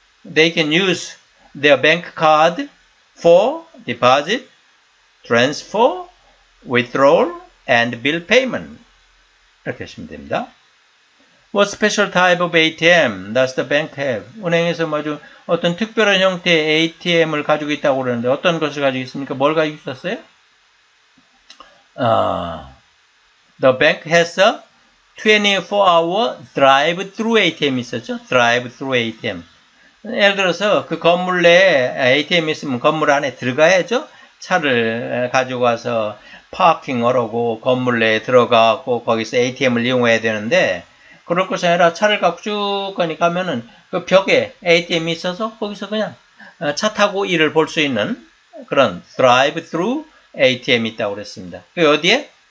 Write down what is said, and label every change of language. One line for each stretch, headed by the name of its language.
English: They can use their bank card for deposit, transfer, withdrawal and bill payment.
Korean: 이렇게 하시면 됩니다.
English: What special type of ATM does the bank have?
Korean: 은행에서 아주 어떤 특별한 형태의 ATM을 가지고 있다고 그러는데 어떤 것을 가지고 있습니까? 뭘 가지고 있었어요?
English: The bank has a 24-hour drive-through ATM
Korean: 있었죠?
English: Drive-through ATM.
Korean: 예를 들어서 그 건물 내에 ATM 있으면 건물 안에 들어가야죠. 차를 가지고 와서 파킹을 하고 건물 내에 들어가고 거기서 ATM을 이용해야 되는데 그럴 것이 아니라 차를 갖고 쭉 가니까면은 그 벽에 ATM이 있어서 거기서 그냥 차 타고 일을 볼 수 있는 그런 드라이브스루 ATM이 있다고 그랬습니다. 그 어디에?